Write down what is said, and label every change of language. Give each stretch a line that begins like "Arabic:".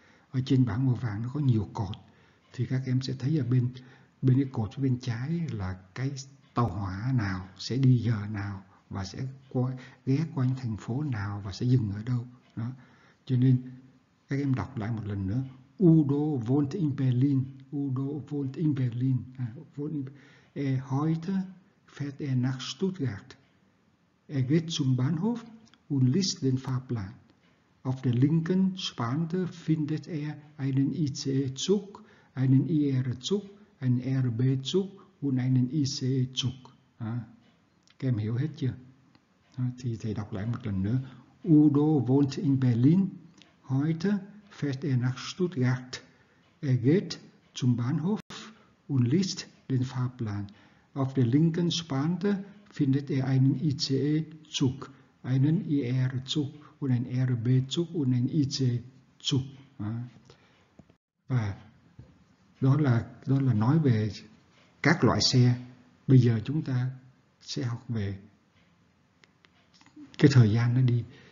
Vietnamese: Ở trên bảng màu vàng nó có nhiều cột. Thì các em sẽ thấy ở bên bên cái cột bên trái là cái tàu hỏa nào sẽ đi giờ nào và sẽ qua, ghé qua những thành phố nào và sẽ dừng ở đâu. Đó. Cho nên các em đọc lại một lần nữa.
German: Udo wohnt in Berlin. Udo wohnt in Berlin. Er heute fährt er nach Stuttgart. Er geht zum Bahnhof und liest den Fahrplan. Auf der linken Spalte findet er einen IC-Zug, einen IR-Zug, einen RB-Zug und einen IC-Zug.
Vietnamese: Các em hiểu hết chưa? Thì thầy đọc lại một lần nữa.
German: Udo wohnt in Berlin. Heute fährt er nach Stuttgart. Er geht zum Bahnhof und liest den Fahrplan. Auf der linken Spalte findet er einen ICE-Zug, einen IR-Zug und einen RB-Zug und einen IC-Zug.
Vietnamese: Và đó là nói về các loại xe. Bây giờ chúng ta sẽ học về cái thời gian nó đi.